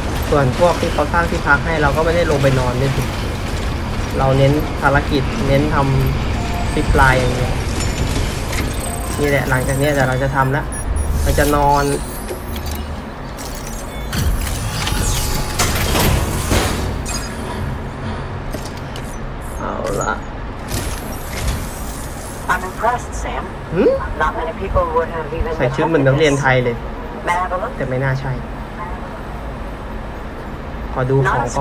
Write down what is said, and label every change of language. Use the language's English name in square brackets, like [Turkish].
[Thai] ส่วนพวกที่เขาสร้างที่พักให้เราก็ไม่ได้ลงไปนอนเลยเราเน้นภารกิจเน้นทำซิปไลน์อย่างเงี้ยนี่แหละหลังจากนี้เดี๋ยวเราจะทำแล้วเราจะนอนเอาละ [English] I'm impressed Sam Not many people would have even [Thai] ใส่ชื่อเหมือนนักเรียนไทยเลยแต่ไม่น่าใช่ขอดูของก่อ